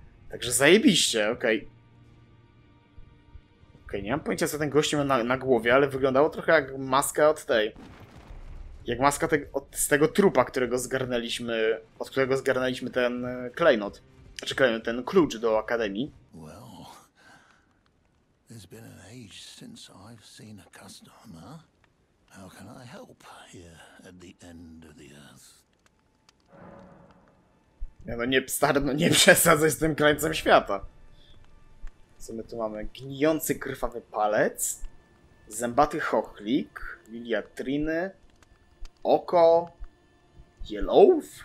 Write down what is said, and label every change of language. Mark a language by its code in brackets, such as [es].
[pl] Także zajebiście, okej. Okay. Okej, okay, nie mam pojęcia, co ten gość miał na głowie, ale wyglądało trochę jak maska od tej. Jak maska z tego trupa, od którego zgarnęliśmy ten klejnot. Znaczy klejnot, ten klucz do akademii. [en] Well, it's been an age since I've seen a customer. How can I help here at the end of the earth? [pl] Ja no nie, stary, no nie przesadzaj z tym krańcem świata. Co my tu mamy? Gnijący krwawy palec. Zębaty chochlik. Liliatriny. Oko. Yellow?